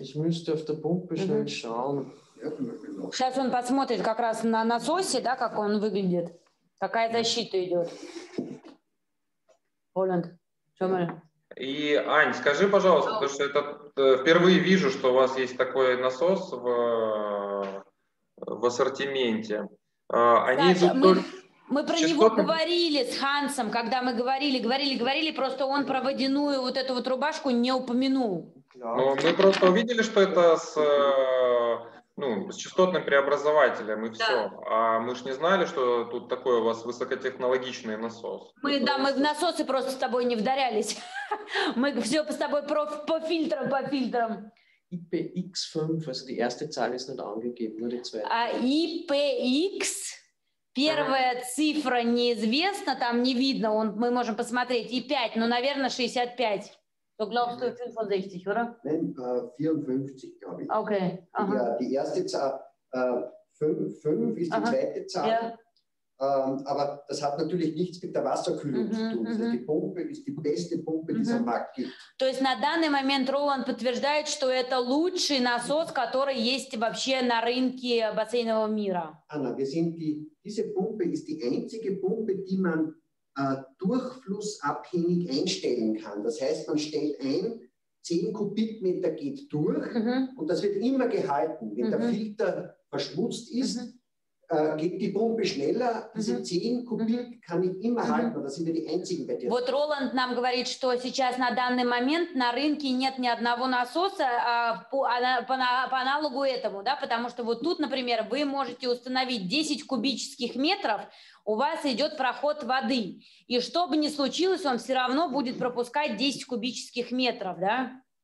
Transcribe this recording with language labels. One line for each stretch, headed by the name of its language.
German: Ich müsste auf der Pumpe schnell schauen.
Russian: Сейчас он посмотрит как раз на насосе, да, как он выглядит. Какая защита идет. Оленд, что мы... И, Ань, скажи, пожалуйста, потому что это впервые вижу, что у вас есть такой насос в ассортименте. Они Кстати, идут мы, только... мы про него говорили с Хансом, когда мы говорили, просто он про водяную вот эту вот рубашку не упомянул. Но мы просто увидели, что это с... Ну, с частотным преобразователем и да. все. А мы ж не знали, что тут такой у вас высокотехнологичный насос. Мы, это да, мы в насосы просто с тобой не вдарялись. Мы все с тобой по фильтрам.
German: IPX5, also die erste Zahl ist nicht angegeben, nur die zweite.
Russian: А IPX, первая цифра неизвестна, там не видно, он, мы можем посмотреть.
German: I5,
Russian: ну, наверное,
German: 65. Du glaubst, du 65, oder? Nein, 54, glaube ich. Okay. Die erste Zahl, 5 ist die zweite Zahl. Ja. Aber das hat natürlich nichts mit der Wasserkühlung zu tun. Mm-hmm. Also die Pumpe ist die beste Pumpe, die es am Markt gibt.
Russian: То есть на данный момент Роланд подтверждает, что это лучший насос, который есть вообще на рынке бассейнового мира.
German: Anna, wir sind die, diese Pumpe ist die einzige Pumpe, die man durchflussabhängig einstellen kann. Das heißt, man stellt ein, 10 Kubikmeter geht durch und das wird immer gehalten. Wenn der Filter verschmutzt ist, geht die Pumpe schneller. Diese 10 Kubik kann ich immer halten. Und das sind wir die einzigen bei dir.
Russian: Вот Роланд нам говорит, что сейчас на данный момент на рынке нет ни одного насоса по аналогу этому, да? Потому что вот тут, например, вы можете установить 10 кубических метров, у вас идет проход воды, и что бы ни случилось, он все равно будет пропускать 10 кубических метров, да?